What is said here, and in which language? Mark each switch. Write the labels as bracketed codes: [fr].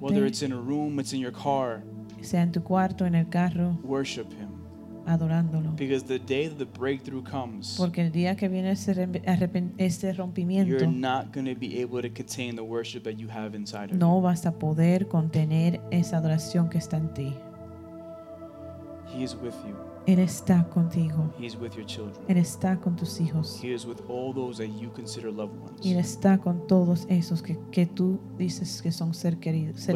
[en] Whether it's in a room, it's in your car. [es] Sea en tu cuarto, en el carro. [en] Worship Him. [es] Adorándolo. [en] Because the day that the breakthrough comes, [es] porque el día que viene ese rompimiento, [en] you're not going to be able to contain the worship that you have inside of [es] no [en] you. [es] No vas a poder contener esa adoración que está en ti. [en] He is with you. [es] Él está contigo. [en] He is with your children. [es] Él está con tus hijos. [en] He is with all those that you consider loved ones. [es] Él está con todos esos que tú dices que son seres queridos.